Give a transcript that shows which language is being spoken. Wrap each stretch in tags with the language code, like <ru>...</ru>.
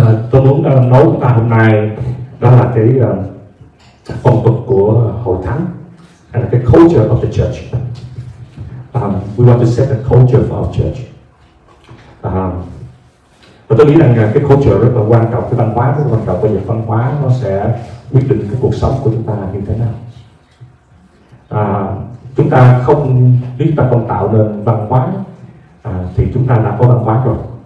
<vi>Tôi muốn nói chúng ta hôm nay đó là cái phong tục của hội thánh.</vi> <en>And the culture of the church. We want to set the culture for our church.</en> <vi>Và tôi nghĩ rằng cái culture rất là quan trọng, cái văn hóa rất là quan trọng. Bây giờ văn hóa nó sẽ quyết định cái cuộc sống của chúng ta như thế nào. Chúng ta không, nếu chúng ta không tạo nên văn hóa thì chúng ta đã có văn hóa rồi.</vi>